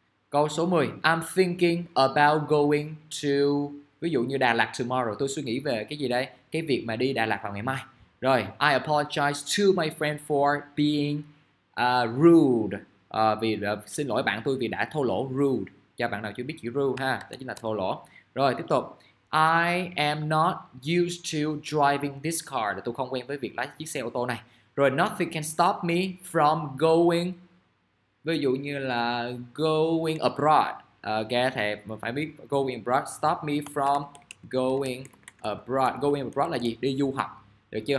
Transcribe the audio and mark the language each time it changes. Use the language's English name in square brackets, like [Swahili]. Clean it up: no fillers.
[Vietnamese] Câu số 10, [English] I'm thinking about going to, [Vietnamese] ví dụ như Đà Lạt [English] tomorrow, [Vietnamese] tôi suy nghĩ về cái gì đây? Cái việc mà đi Đà Lạt vào ngày mai. Rồi, [English] I apologize to my friend for being rude, [Vietnamese] xin lỗi bạn tôi vì đã thô lỗ, rude, cho bạn nào chưa biết chữ rude ha, đó chính là thô lỗ. Rồi, tiếp tục. [English] I am not used to driving this car. [Vietnamese] Tôi không quen với việc lái chiếc xe ô tô này. Rồi, [English] nothing can stop me from going. [Vietnamese] Ví dụ như là [English] going abroad. [Vietnamese] Okay, thì mình phải biết going abroad. [English] Stop me from going abroad. Going abroad [Vietnamese] là gì? Đi du học. Được chưa?